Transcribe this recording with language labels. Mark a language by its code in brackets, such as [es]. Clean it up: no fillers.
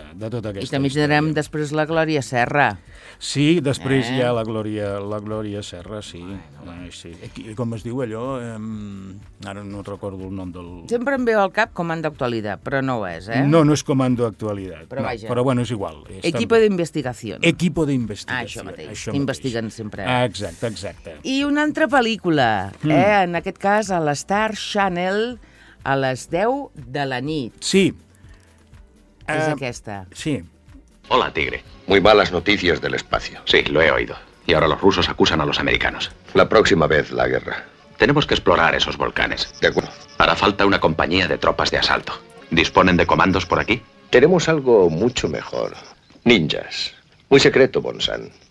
[ca] i també generem després la Glòria Serra. Sí, després hi ha la Glòria Serra, sí. Sí. Com es diu allò? Ara no recordo el nom del... Sempre em veu al cap Comando Actualidad, però no ho és, No és Comando Actualidad. Però, no, vaja. Però bueno, és igual. Equipo de Investigación. Equipo de Investigación. Ah, això mateix. Això mateix. Investiguen sempre. Ah, exacte. I una altra pel·lícula, en aquest cas a l'Star Channel a les 10 de la nit. Sí. Es aquesta. Sí. [es] Hola, Tigre. Muy malas noticias del espacio. Sí, lo he oído. Y ahora los rusos acusan a los americanos. La próxima vez la guerra. Tenemos que explorar esos volcanes. De acuerdo. Hará falta una compañía de tropas de asalto. ¿Disponen de comandos por aquí? Tenemos algo mucho mejor. Ninjas. Muy secreto, Bonsan.